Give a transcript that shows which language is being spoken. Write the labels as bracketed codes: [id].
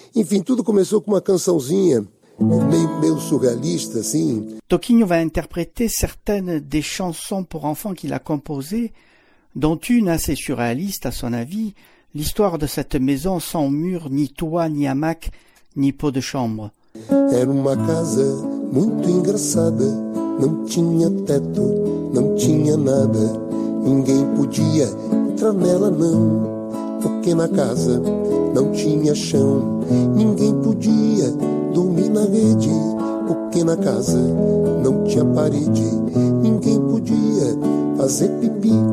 [pt] Enfim, tudo começou com uma cançãozinha meio surrealista, assim. [fr] Toquinho [pt] vai interpretar [fr] certaines des chansons pour enfants qu'il a composées, dont une assez surréaliste à son avis, l'histoire de cette maison sans mur, ni toit, ni hamac, ni pot de chambre. [pt] Era uma casa muito engraçada, não tinha teto, não tinha nada, ninguém podia entrar nela não, porque na casa não tinha chão, ninguém podia dormir na rede, porque na casa não tinha parede, ninguém podia fazer pipi,